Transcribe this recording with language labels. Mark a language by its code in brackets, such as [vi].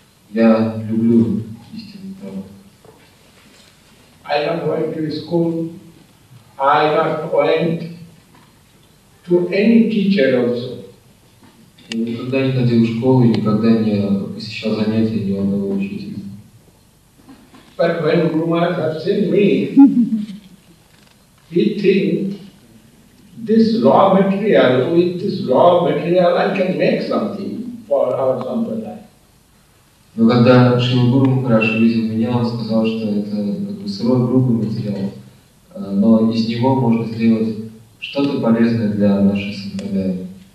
[ru] Я люблю истину и правду. [en] I am going to school. I have to went to any teacher also. [ru] Я никогда не ходил в школу и никогда не посещал занятия ни одного учителя. [en] But when Guru Maharaj has seen me, he thinks with this raw material I can make something for our sampradaya. [ru] Но когда Шрила Гуру Махарадж увидел меня, он сказал, что это как бы сырой грубый материал, но из него можно сделать что-то полезное для нашей сампрадаи.